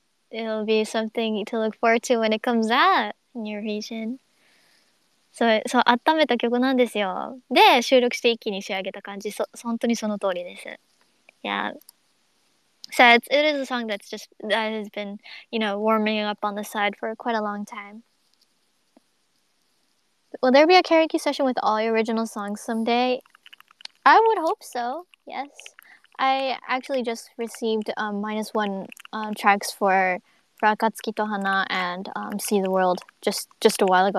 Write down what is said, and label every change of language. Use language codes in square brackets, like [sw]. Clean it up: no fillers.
[en] It'll be something to look forward to when it comes out in your region. [ja] そう、温めた曲なんですよ。で、収録して一気に仕上げた感じ。本当にその通りです。Yeah. [en] So it is a song that has been, you know, warming up on the side for quite a long time. Will there be a karaoke session with all your original songs someday? I would hope so, yes. I actually just received minus one tracks for Akatsuki to Hana and See the World just a while ago.